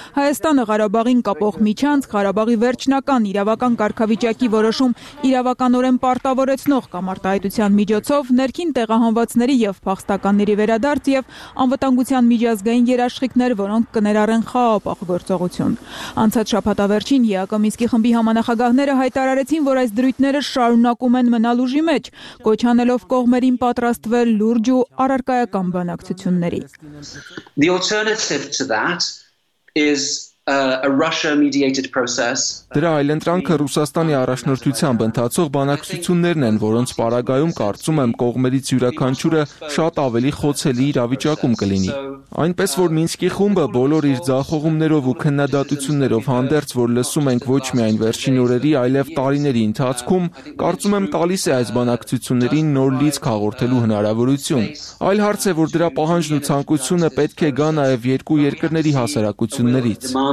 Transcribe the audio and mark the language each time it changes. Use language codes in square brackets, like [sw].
[hy] Հայաստանը Ղարաբաղին կապող միջանց, Ղարաբաղի վերջնական իրավական կարգավիճակի որոշում իրավականորեն պարտավորեցնող կամարտահայտության միջոցով ներքին տեղահանվածների եւ փախստականների վերադարձ եւ անվտանգության միջազգային երաշխիքներ, որոնք կներառեն հաապաղ գործողություն։ Անցած շաբաթավերջին ԵԱԿ-ի Մինսկի խմբի համանախագահները հայտարարեցին, որ այս դրույթները շարունակում են մնալ ուժի մեջ, կոչանելով կողմերին պատրաստվել լուրջ ու առարկայական բանակցությունների։ [en] The alternative to that is a Russia-mediated process. [hy] Դրա այլ ընտրանքը Ռուսաստանի առաջնորդությամբ ընթացող բանակցություններն են, որոնց պարագայում կարծում եմ կողմերից յուրաքանչյուրը շատ ավելի խոցելի իրավիճակում կլինի։ Այնպես որ Մինսկի խումբը բոլոր իր ձախողումներով ու քննադատություններով հանդերձ, որ լսում ենք ոչ միայն վերջին օրերի, այլև տարիների ընթացքում, կարծում եմ տալիս է այս բանակցություններին նոր լիցք հաղորդելու հնարավորություն։ Այլ հարց է, որ դրա պահանջն ու ցանկությունը պետք է գա նաև երկու երկրների հասարակություններից։